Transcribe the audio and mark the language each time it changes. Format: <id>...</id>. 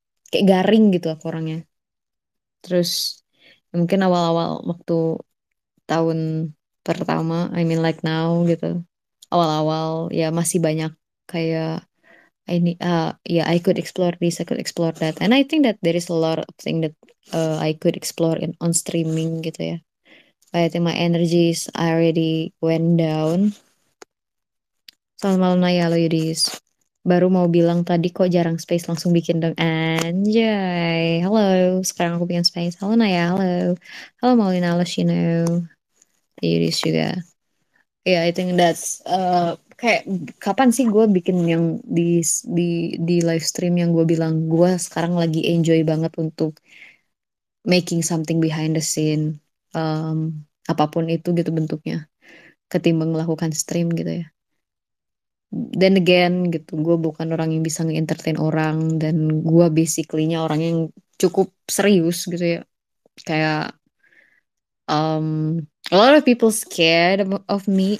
<id>Kayak garing gitu aku orangnya. Terus ya mungkin awal-awal waktu tahun pertama,</id> <en>I mean like now</en> <id>gitu. Awal-awal ya masih banyak kayak ini ya</id> <en>I could explore this, I could explore that, and I think that there is a lot of thing that I could explore in on streaming gitu ya. But I think my energies already went down.</en> <id>Selamat malam Naya, lo Yudis. Baru mau bilang tadi kok jarang space, langsung bikin dong. Anjay, halo. Sekarang aku bikin space. Halo Naya, halo. Halo Maulina, halo Shino. Yudis juga.</id> <en>Yeah, I think that's</en> <id>kayak kapan sih gue bikin yang di live stream yang gue bilang gue sekarang lagi enjoy banget untuk</id> <en>making something behind the scene,</en> <id>apapun itu gitu bentuknya, ketimbang melakukan stream gitu ya.</id> <en>Then again</en> <id>gitu, gue bukan orang yang bisa nge-entertain orang, dan gue basically-nya orang yang cukup serius gitu ya.</id> <en>Kayak a lot of people scared of me.</en>